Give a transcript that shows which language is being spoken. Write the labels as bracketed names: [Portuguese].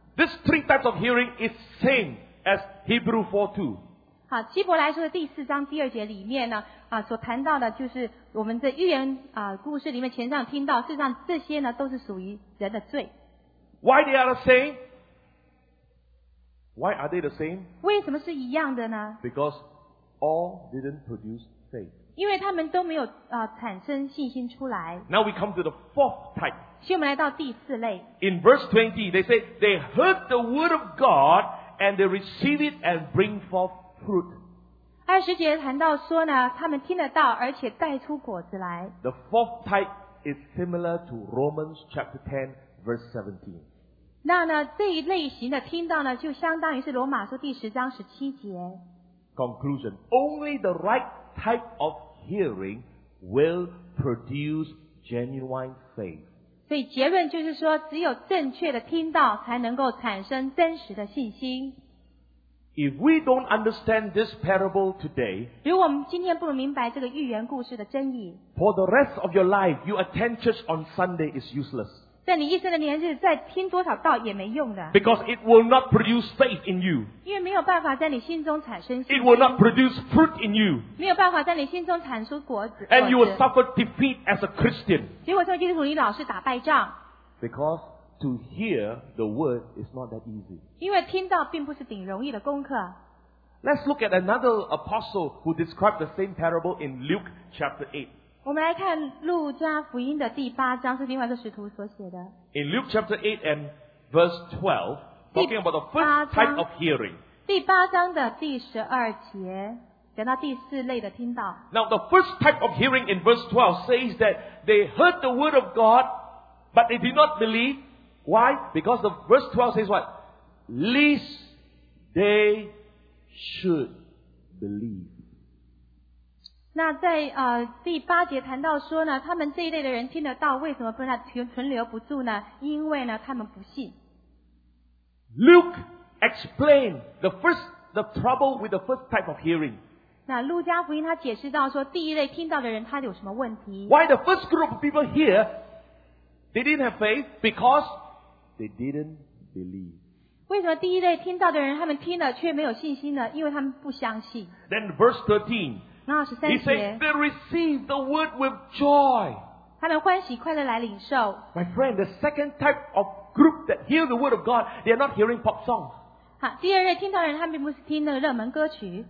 [English] This three types of hearing is same as Hebrew 4:2. [Chinese] 好，希伯来书的第四章第二节里面呢，啊，所谈到的就是我们的预言啊故事里面前上听到，事实上这些呢都是属于人的罪。 [English] Why they are the same? Why are they the same? [Chinese] 为什么是一样的呢？ [English] Because all didn't produce faith. [Chinese] 因为他们都没有产生信心出来。 [English] Now we come to the fourth type. [Chinese] 现我们来到第四类。 [English] In verse 20, they say, they heard the word of God, and they receive it and bring forth fruit. [Chinese] 二十节谈到说呢，他们听得到，而且带出果子来。 [English] The fourth type is similar to Romans chapter 10, verse 17. [Chinese] 那呢，这一类型的听到呢，就相当于是罗马书第十章十七节。 [English] Conclusion, only the right type of hearing will produce genuine faith. [Chinese] 所以结论就是说，只有正确的听到才能够产生真实的信心。 [English] If we don't understand this parable today, [Chinese] 如果我们今天不能明白这个寓言故事的真意， [English] for the rest of your life, you attend church on Sunday is useless. [Chinese] 但你一生的年日再拼多少道也没用的。 [English] Because it will not produce faith in you. [Chinese] 因为没有办法在你心中产生信心。 [English] It will not produce fruit in you. [Chinese] 没有办法在你心中产出果子。 [English] And you will suffer defeat as a Christian. [Chinese] 结果在基督徒里老是打败仗。 [English] Because to hear the word is not that easy. [Chinese] 因为听到并不是挺容易的功课。 [English] Let's look at another apostle who described the same parable in Luke chapter 8. [Chinese] 我们来看路加福音的第八章，是另外一个使徒所写的。 [English] In Luke chapter 8 and verse 12, talking about the first type of hearing. [Chinese] 第八章的第十二节，讲到第四类的听到。 [English] Now the first type of hearing in verse 12 says that they heard the word of God, but they did not believe. Why? Because the verse 12 says what? Lest they should believe. [Chinese] 那在第八节谈到说呢，他们这一类的人听得到，为什么不让存留不住呢？因为呢，他们不信。 [English] Luke explained the trouble with the first type of hearing. [Chinese] 那路加福音他解释到说，第一类听到的人他有什么问题 [English] ？Why the first group of people here they didn't have faith because they didn't believe. [Chinese] 为什么第一类听到的人他们听了却没有信心呢？因为他们不相信。 [English] Then verse 13. [Chinese] 那十三节。 [English] He says they received the word with joy. [Chinese] 他们欢喜快乐来领受。 [English] My friend, the second type of group that hear the word of God, they are not hearing pop songs. [Chinese] 好，第二类听到的人他们并不是听那个热门歌曲。